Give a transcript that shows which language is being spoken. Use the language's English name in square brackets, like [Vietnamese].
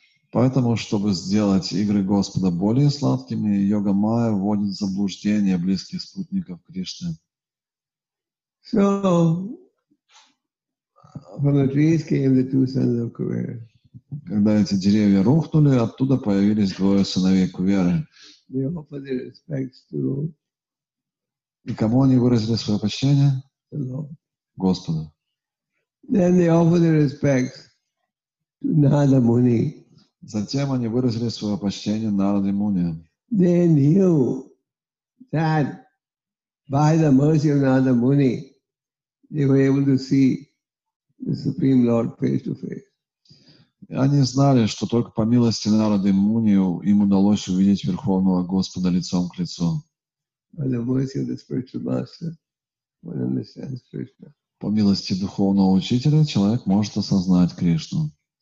[Russian] Поэтому, чтобы сделать игры Господа более сладкими, йога майя вводит в заблуждение близких спутников Кришны. [English] So, From the trees came the two sons of Kuvera. [Russian] Когда эти деревья рухнули, оттуда появились двое сыновей Куверы. [English] They offered their respects to... [Russian] И кому они выразили свое почтение? [English] The Lord. [Russian] Господу. [English] Then they offered their respects to Narada Muni. [Russian] Затем они выразили свое почтение Нараде Муни. [English] They knew that by the mercy of Narada Muni, they were able to see the Supreme Lord face to face. [Russian] Они знали, что только по милости Нарады Муни им удалось увидеть Верховного Господа лицом к лицу. По милости Духовного Учителя человек может осознать Кришну.